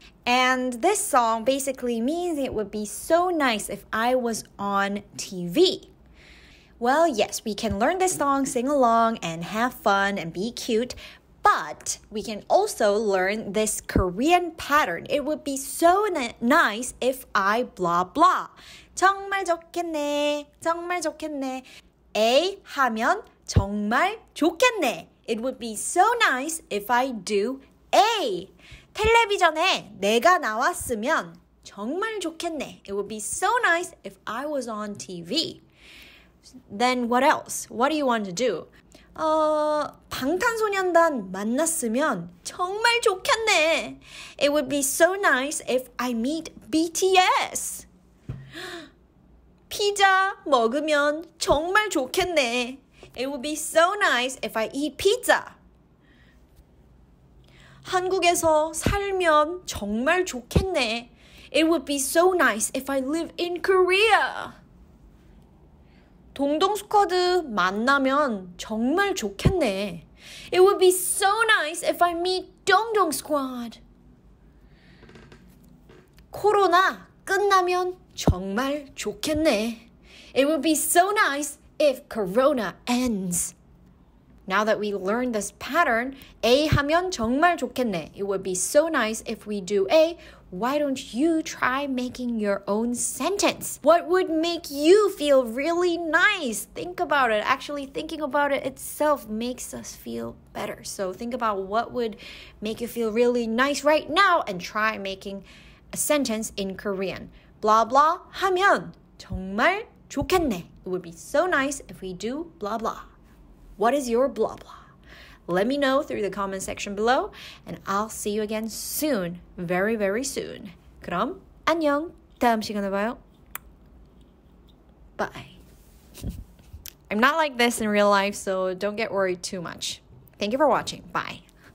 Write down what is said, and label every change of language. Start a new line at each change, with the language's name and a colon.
English: And this song basically means it would be so nice if I was on TV. Well, yes, we can learn this song, sing along, and have fun and be cute. But we can also learn this Korean pattern. It would be so nice if I blah blah.
Korean: 정말 좋겠네, 정말 좋겠네. A 하면 정말 좋겠네.
English: It would be so nice if I do A.
Korean: 텔레비전에 내가 나왔으면 정말 좋겠네.
English: It would be so nice if I was on TV. Then what else? What do you want to do?
Korean: 방탄소년단 만났으면 정말 좋겠네.
English: It would be so nice if I meet BTS.
Korean: 피자 먹으면 정말 좋겠네.
English: It would be so nice if I eat pizza.
Korean: 한국에서 살면 정말 좋겠네.
English: It would be so nice if I live in Korea.
Korean: 동동 스쿼드 만나면 정말 좋겠네.
English: It would be so nice if I meet 동동 squad.
Korean: 코로나 끝나면 정말 좋겠네.
English: It would be so nice if Corona ends. Now that we learned this pattern, A
Korean: 하면 정말 좋겠네.
English: It would be so nice if we do A. Why don't you try making your own sentence? What would make you feel really nice? Think about it. Actually, thinking about it itself makes us feel better. So think about what would make you feel really nice right now and try making a sentence in Korean. Blah, blah, 하면 정말 좋겠네. It would be so nice if we do blah, blah. What is your blah, blah? Let me know through the comment section below, and I'll see you again soon, very, very soon.
Korean: 그럼 안녕, 다음 시간에 봐요.
English: Bye. I'm not like this in real life, so don't get worried too much. Thank you for watching. Bye.